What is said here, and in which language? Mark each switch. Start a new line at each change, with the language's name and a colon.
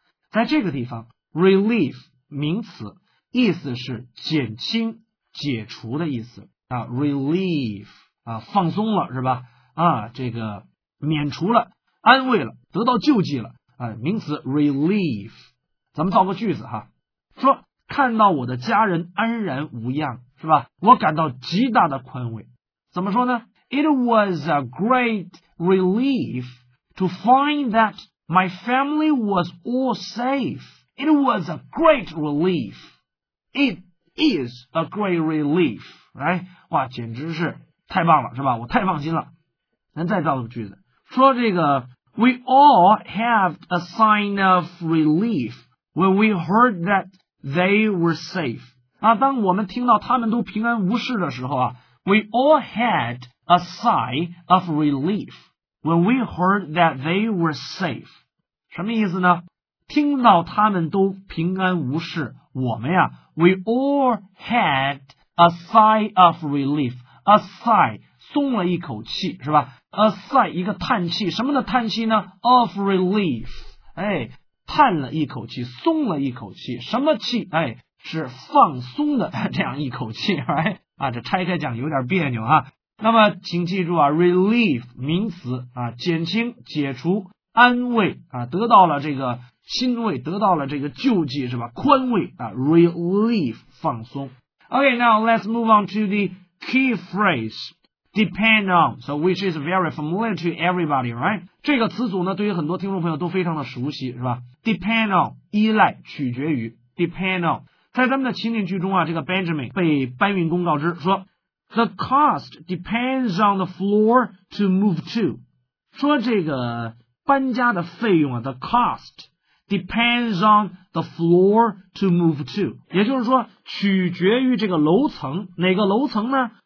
Chinese: 在这个地方 ，relief 名词，意思是减轻、解除的意思啊 ，relief 啊，放松了是吧？啊，这个免除了、安慰了、得到救济了啊，名词 relief。咱们造个句子哈，说看到我的家人安然无恙。是吧？我感到极大的宽慰。怎么说呢
English: ？It was a great relief to find that my family was all safe. It was a great relief. It is a great relief.
Chinese: 哎，哇，简直是太棒了，是吧？我太放心了。咱再造个句子，说这个
English: ，We all have a sign of relief when we heard that they were safe.
Chinese: 啊，当我们听到他们都平安无事的时候啊
English: ，We all had a sigh of relief when we heard that they were safe。
Chinese: 什么意思呢？听到他们都平安无事，我们呀 ，
English: We all had a sigh of relief。
Chinese: A sigh， 松了一口气，是吧 ？A sigh， 一个叹气，什么的叹气呢 ？Of relief， 哎，叹了一口气，松了一口气，什么气？哎。是放松的这样一口气、right? 啊，这拆开讲有点别扭啊。那么请记住啊 relief 名词啊，减轻解除安慰啊，得到了这个欣慰，得到了这个救济是吧，宽慰啊 relief 放松。
English: OK now let's move on to the key phrase depend on， so which is very familiar to everybody right，
Chinese: 这个词组呢对于很多听众朋友都非常的熟悉是吧，
English: depend on
Chinese: 依赖取决于
English: depend on。
Chinese: 在咱们的情景剧中啊，这个 Benjamin 被搬运工告知说
English: The cost depends on the floor to move to，
Chinese: 说这个搬家的费用啊 The cost depends on the floor to move to， 也就是说取决于这个楼层，哪个楼层呢？